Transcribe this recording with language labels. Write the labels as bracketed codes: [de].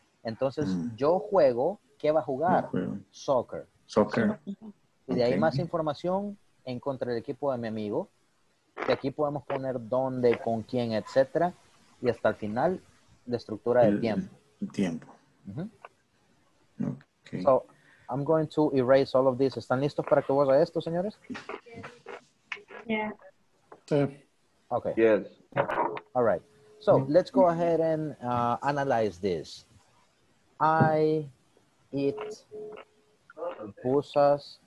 [es] Entonces, yo juego, ¿qué va a jugar? [en] Soccer. [es] Y de ahí más información en contra el equipo de mi amigo. Que aquí podemos poner dónde, con quién, etcétera. Y hasta el final, la estructura del tiempo. Tiempo. Uh-huh. [en] Okay. So, I'm going to erase all of this. [es] ¿Están listos para que vos haga esto, señores? [en] Yeah. Okay. Yes. All right. So, let's go ahead and analyze this. I eat pupusas.